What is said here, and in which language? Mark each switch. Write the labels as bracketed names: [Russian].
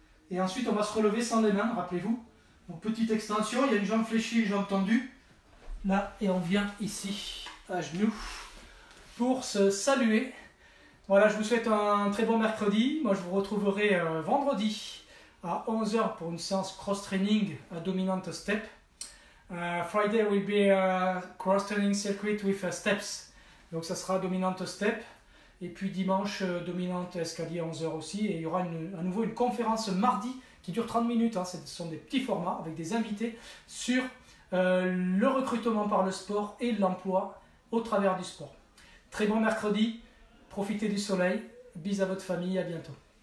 [French] Et ensuite, on va se relever sans les mains, rappelez-vous. Donc, petite extension, il y a une jambe fléchie, une jambe tendue. Là, et on vient ici, à genoux, pour se saluer. Voilà, je vous souhaite un très bon mercredi. Moi, je vous retrouverai vendredi à 11h pour une séance cross-training à dominante step. [English] Friday will be a cross-training circuit with steps. [French] Donc, ça sera dominante step. Et puis dimanche, dominante escalier à 11h aussi. Et il y aura à nouveau une conférence mardi qui dure 30 minutes. Hein. Ce sont des petits formats avec des invités sur le recrutement par le sport et l'emploi au travers du sport. Très bon mercredi. Profitez du soleil. Bisous à votre famille. À bientôt.